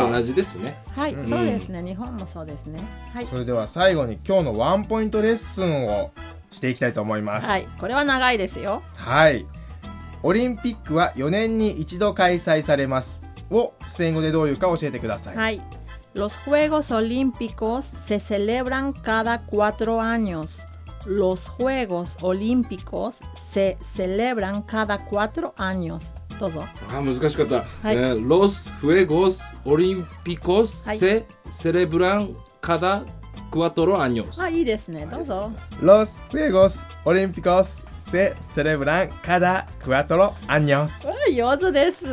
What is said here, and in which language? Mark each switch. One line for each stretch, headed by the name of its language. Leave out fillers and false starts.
Japanese: 日本と同じですね。はい、うん、そうですね、日本もそうですね、はい、それでは最後に今日のワンポイントレッスンをしていきたいと思います。はい、これは長いですよ。はい、オリンピックは4年に一度開催されますをスペイン語でどういうか教えてください。
Spanish: はい、 Los Juegos Olímpicos se celebran cada cuatro años. Los Juegos Olímpicos se celebran cada cuatro años.
Japanese: どうぞ。あ、難しかった、はい、
Spanish: ロスフエゴスオリンピコス、はい、セレブランカダクワトロアニョス。
Japanese: あ、いいですね、どうぞ。
Spanish: ロスフエゴスオリンピコスセレブランカダクワトロアニョス。
Japanese: 上手です、